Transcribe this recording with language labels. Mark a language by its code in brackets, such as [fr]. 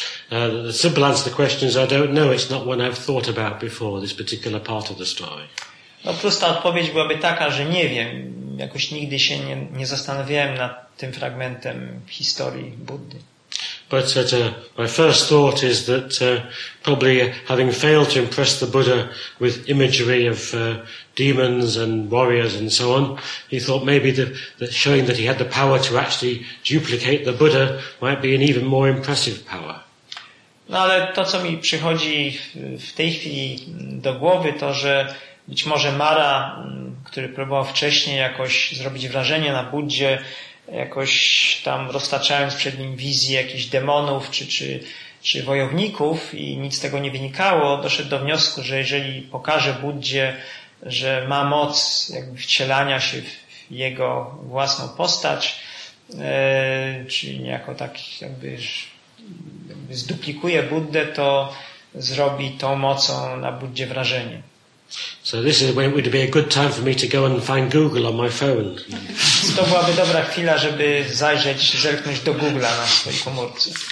[en] The simple answer to the question is I don't know, it's not one I've thought about before, this particular part of the story. [pl] No, prosta odpowiedź byłaby taka, że nie wiem, jakoś nigdy się nie zastanawiałem nad tym fragmentem historii Buddy. [en] But my first thought is that probably having failed to impress the Buddha with imagery of demons and warriors and so on, he thought maybe that showing that he had the power to actually duplicate the Buddha might be an even more impressive power. [pl] No, ale to, co mi przychodzi w tej chwili do głowy, to, że być może Mara, który próbował wcześniej jakoś zrobić wrażenie na Buddzie, jakoś tam roztaczając przed nim wizję jakichś demonów czy wojowników i nic z tego nie wynikało, doszedł do wniosku, że jeżeli pokaże Buddzie, że ma moc jakby wcielania się w jego własną postać, czy niejako tak jakby zduplikuje Buddę, to zrobi tą mocą na Buddzie wrażenie. [en] So this is when it would be a good time for me to go and find Google on my phone. [pl] To byłaby dobra chwila, żeby zerknąć do Google'a na swojej komórce.